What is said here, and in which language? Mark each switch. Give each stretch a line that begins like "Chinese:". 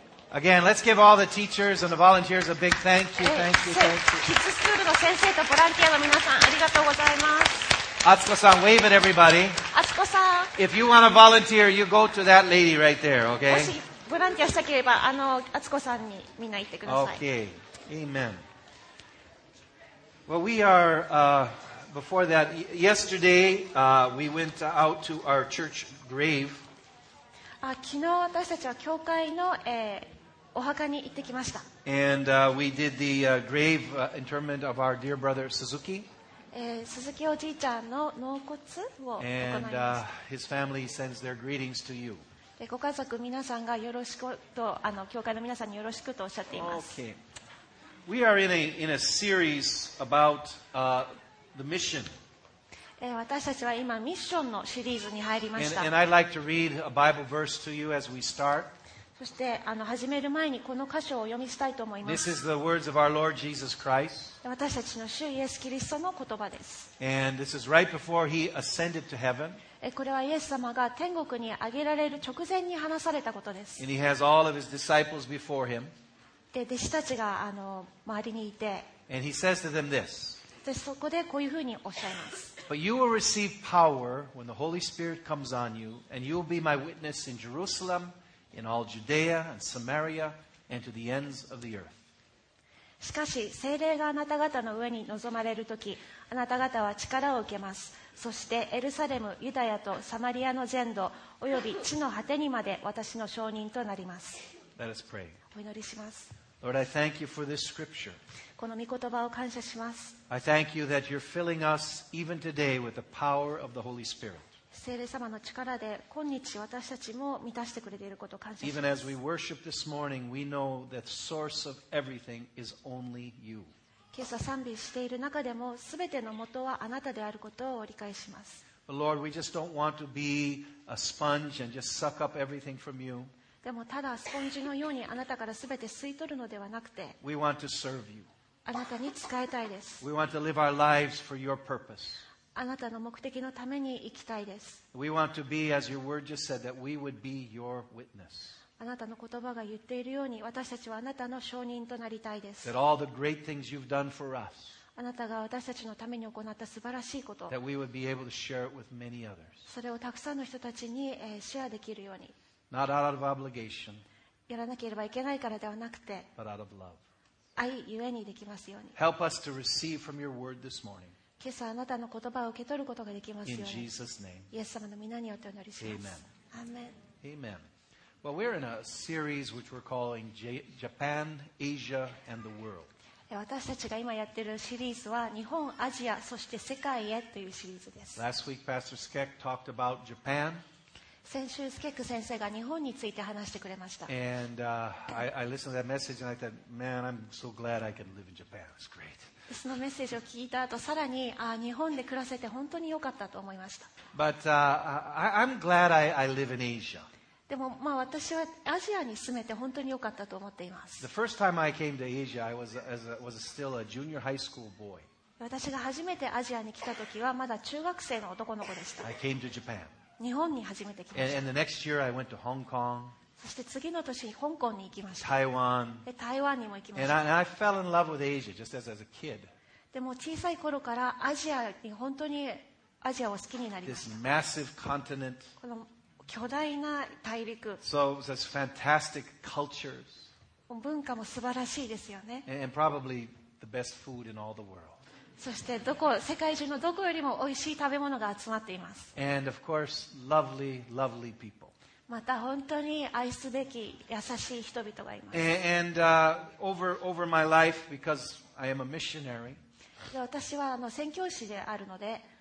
English: Again, let's give all the teachers and the volunteers a big thank you. Thank you, thank you.
Japanese: キッズスクールの先生とボランティアの皆さん、ありがとうございます。
English: アツコさん、wave at everybody.
Japanese: アツコさん。
English: If you want to volunteer, you go to that lady right there, okay?
Japanese: もしボランティアしたければ、アツコさんにみんな行ってください。
English: Okay. Amen. Well, we are, before that, yesterday, we went out to our church grave.
Japanese: 昨日私たちは教会の、お墓に行ってきました。
English: And, we did the, grave interment of our dear brother Suzuki.
Japanese: 鈴木おじいちゃんの納骨を行いました。
English: And, his family sends their greetings to you.
Japanese: で、ご家族皆さんがよろしくと、教会の皆さんによろしくとおっしゃっています。
English: Okay. We are in a series about, the mission.
Japanese: 私たちは今ミッションのシリーズに入りました。
English: And I'd like to read a Bible verse to you as we start.
Japanese: そして始める前にこの箇所を読みしたいと思います。
English: This is the words of our Lord Jesus Christ.
Japanese: 私たちの主イエスキリストの言葉です。
English: And this is right before he ascended to heaven.
Japanese: これはイエス様が天国に上げられる直前に話されたことです。
English: And he has all of his disciples before him.
Japanese: で、弟子たちが周りにいて。
English: And he says to them this.
Japanese: でそこでこういうふうにおっしゃいます。
English: But you will receive power when the Holy Spirit comes on you, and you will be my witness in Jerusalem, in all Judea and Samaria, and to the ends of the earth.
Japanese: しかし、聖霊があなた方の上に臨まれるとき、あなた方は力を受けます。そしてエルサレム、ユダヤとサマリアの全土、および地の果てにまで私の証人となります。
English: Let us pray.
Japanese: お祈りします。
English: Lord, I thank you for this scripture.
Japanese: この御言葉を感謝します。
English: I thank you that you're filling us even today with the power of the Holy Spirit.
Japanese: 聖霊様の力で今日私たちも満たしてくれていることを感謝します。
English: Even as we worship this morning, we know that the source of everything is only you.
Japanese: 今朝賛美している中でも全ての元はあなたであることを理解します。
English: But Lord, we just don't want to be a sponge and just suck up everything from you.
Japanese: でもただスポンジのようにあなたからすべて吸い取るのではなくて、
English: We want to serve you.
Japanese: あなたに仕えたいです。
English: We want to live our lives for your purpose.
Japanese: あなたの目的のために生きたいです。
English: We want to be, as your word just said, that we would be your witness.
Japanese: あなたの言葉が言っているように、私たちはあなたの証人となりたいです。
English: That all the great things you've done for us.
Japanese: あなたが私たちのために行った素晴らしいこと。
English: That we would be able to share it with many others.
Japanese: それをたくさんの人たちに、シェアできるように。
English: Not out of obligation,
Japanese: やらなければいけないからではなくて、
English: but out of love.
Japanese: 愛ゆえにできますように。
English: Help us to receive from your word this morning.
Japanese: 今朝あなたの言葉を受け取ることができますように。
English: In Jesus' name.
Japanese: イエス様の御名によってお祈りします。
English: Amen. Amen. Amen. Well, we're in a series which we're calling Japan, Asia, and the World.
Japanese: 私たちが今やっているシリーズは日本、アジア、そして世界へというシリーズです。
English: Last week, Pastor Skek talked about Japan.
Japanese: 先週スケック先生が日本について話してくれました。
English: And, I listened to that message and I thought, man, I'm so glad I can live in Japan. It's great.
Japanese: そのメッセージを聞いた後、さらに、日本で暮らせて本当に良かったと思いました。
English: But, I'm glad I live in Asia.
Japanese: でも、まあ、私はアジアに住めて本当に良かったと思っています。
English: The first time I came to Asia, I was still a junior high school boy.
Japanese: 私が初めてアジアに来た時はまだ中学生の男の子でした。
English: I came to Japan.
Japanese: 日本に初めて来ました。
English: And the next year I went to Hong Kong.
Japanese: そして次の年に香港に行きました。
English: Taiwan.
Japanese: で、台湾にも行きました。
English: And I fell in love with Asia just as a kid.
Japanese: でも小さい頃からアジアに本当にアジアを好きになりました。
English: This massive continent.
Japanese: この巨大な大陸。
English: So such fantastic cultures.
Japanese: 文化も素晴らしいですよね。
English: And probably the best food in all the world.
Japanese: そしてどこ世界中のどこよりも美味しい食べ物が集まっています。
English: And of course, lovely, lovely people.
Japanese: また本当に愛すべき優しい人々がいます。
English: And, over my life, because I am a missionary,
Japanese: 私は宣教師であるので、